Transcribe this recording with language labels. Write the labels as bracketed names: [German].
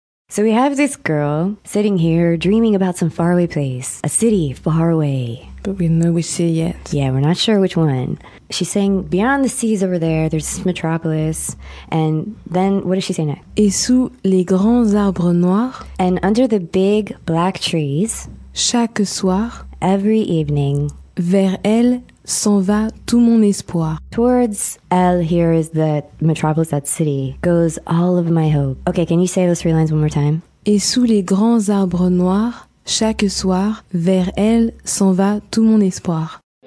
[English] So we have this girl sitting here dreaming about some faraway place, a city far away. But we don't know which city yet. Yeah, we're not sure which one. She's saying, beyond the seas over there, there's this metropolis. And then, what does she say next? [French] Et sous les grands arbres noirs. [English] And under the big black trees. [French] Chaque soir. [English] Every evening. [French] Vers elle s'en va tout mon espoir. [English] Towards L, here is the metropolis, that city, goes all of my hope. Okay, can you say those three lines one more time? [French] Et sous les grands arbres noirs, chaque soir, vers elle s'en va tout mon espoir.